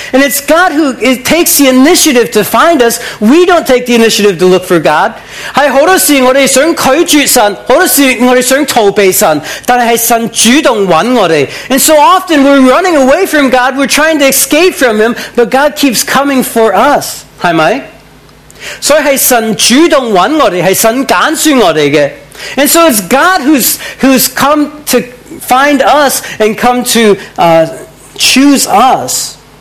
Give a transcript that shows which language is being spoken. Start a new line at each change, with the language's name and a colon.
English: And it's God who takes the initiative to find us. We don't take the initiative to look for God.
Chinese: 很多時候我們想拒絕神,很多時候我們想逃避神, 但是神主動找我們。
English: And so often we're running away from God, we're trying to escape from Him, but God keeps coming for us.
Chinese: 是不是? 所以是神主動找我們,是神揀選我們的。
English: And so it's God who's come to find us and come to choose us.